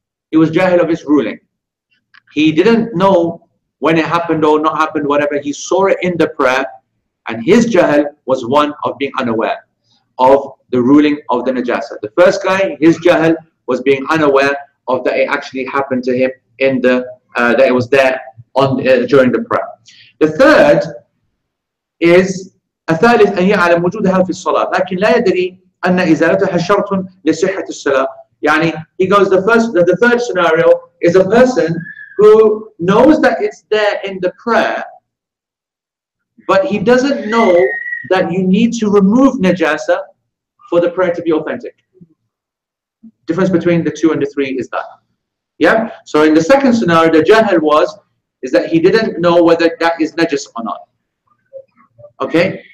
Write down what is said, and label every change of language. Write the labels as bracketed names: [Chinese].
[English] He was jahil of his ruling. He didn't know when it happened or not happened, whatever. He saw it in the prayer, and his jahil was one of being unaware of the ruling of the najasa. The first guy, his jahil was being unaware of that it actually happened to him in the that it was there on during the prayer. The third is [Arabic] الثالث أن يعلم وجودها في الصلاة لكن لا يدري أن إزالتها شرط لصحة الصلاة. [English] يعني he goes the third scenario is a person who knows that it's there in the prayer, but he doesn't know that you need to remove najasa for the prayer to be authentic. Difference between the two and the three is that. Yeah? So in the second scenario, the jahil was, is that he didn't know whether that is najis or not. Okay?